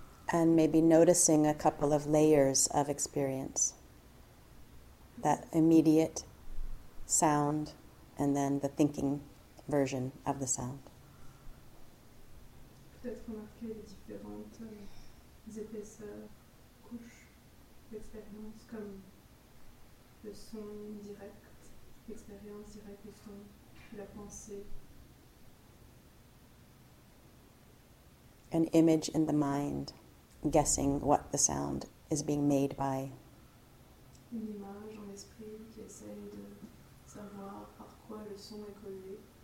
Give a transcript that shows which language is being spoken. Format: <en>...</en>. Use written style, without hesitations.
<en>And maybe noticing a couple of layers of experience. That immediate sound and then the thinking version of the sound.</en> <fr>Peut-être remarquer les différentes épaisseurs, couches d'expérience, comme le son direct, l'expérience directe du son, la pensée.</fr> <en>An image in the mind. Guessing what the sound is being made by.</en> <fr>Une image en esprit qui essaie de savoir par quoi le son est collé.</fr>